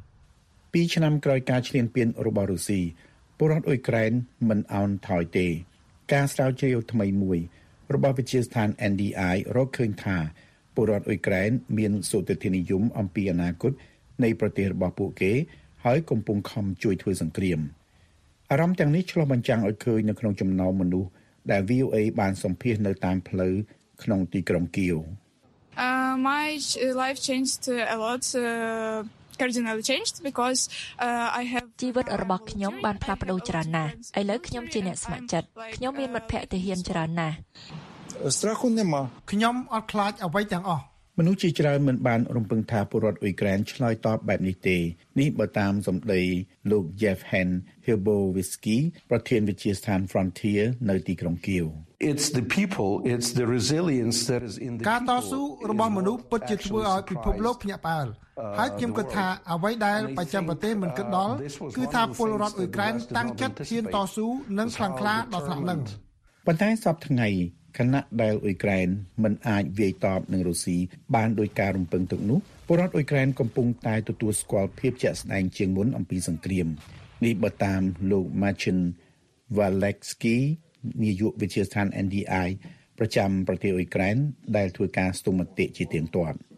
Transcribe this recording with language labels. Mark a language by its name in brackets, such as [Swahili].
[Khmer] 2ឆ្នាំក្រោយការឈ្លានពានរបស់រុស្ស៊ីពលរដ្ឋអ៊ុយក្រែនមិនអន់ថយទេការស្រាវជ្រាវថ្មីមួយរបស់វិទ្យាស្ថាន NDI រកឃើញថាពលរដ្ឋអ៊ុយក្រែនមានសោតតិនិយមអំពីអនាគតនៃប្រទេសរបស់ពួកគេហើយកំពុងខំជួយធ្វើសង្គ្រាមអារម្មណ៍ទាំងនេះឆ្លុះបញ្ចាំងឲ្យឃើញនៅក្នុងចំណោមមនុស្សដែល VOA បានសម្ភាសន៍នៅតាមផ្លូវក្នុងទីក្រុងគៀវ [English] My life changed a lot cardinally changed because I have [Khmer] ជីវិតរបស់ខ្ញុំបានផ្លាស់ប្ដូរច្រើនណាស់ឥឡូវខ្ញុំជាអ្នកស្ម័គ្រចិត្តខ្ញុំមានមិត្តភក្តិទាហានច្រើនណាស់ [Ukrainian] Страху нема [Khmer] ខ្ញុំអត់ខ្លាចអ្វីទាំងអស់មនុស្សជាច្រើនមិនបានរំពឹងថាពលរដ្ឋអ៊ុយក្រែនឆ្លើយតបបែបនេះទេនេះបើតាមសម្ដីលោក Jeff Hen Hilbowski ប្រធានវិទ្យាស្ថាន Frontier នៅទីក្រុងគៀវ [English] It's the people, it's the resilience that is in the [Khmer] ការតស៊ូរបស់មនុស្សពិតជាធ្វើឲ្យពិភពលោកភ្ញាក់ផ្អើលហើយខ្ញុំគិតថាអ្វីដែលប្រចាំប្រទេសមិនគិតដល់គឺថាពលរដ្ឋអ៊ុយក្រែនតាំងចិត្តហ៊ានតស៊ូនិងខ្លាំងក្លាដល់ថ្នាក់នឹង ប៉ុន្តែសពថ្ងៃគណៈដែលអ៊ុយក្រែនមិនអាចវាយតបនឹងរុស្ស៊ីបានដោយការរំពឹងទុកនោះពលរដ្ឋអ៊ុយក្រែនកំពុងតែទទួលស្គាល់ភាពជាក់ស្ដែងជាងមុនអំពីសង្គ្រាមនេះបើតាមលោក Martin Valeksky នាយកវិទ្យាស្ថាន NDI ប្រចាំប្រទេសអ៊ុយក្រែនដែលធ្វើការស្ទុះមតិជាទៀងទាត់